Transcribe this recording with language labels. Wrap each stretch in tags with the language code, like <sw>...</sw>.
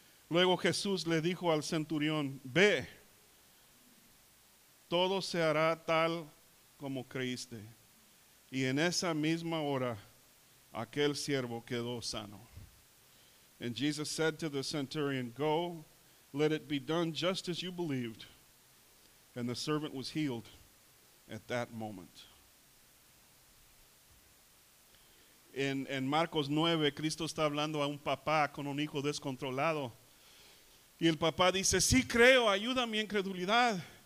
<es>Luego Jesús le dijo al centurión, "Ve, todo se hará tal como creíste." Y en esa misma hora, aquel siervo quedó sano.</es> <en>And Jesus said to the centurion, "Go, let it be done just as you believed." And the servant was healed at that moment.</en> <es>En Marcos 9, Cristo está hablando a un papá con un hijo descontrolado. Y el papá dice, "Sí creo, ayuda mi incredulidad."</es>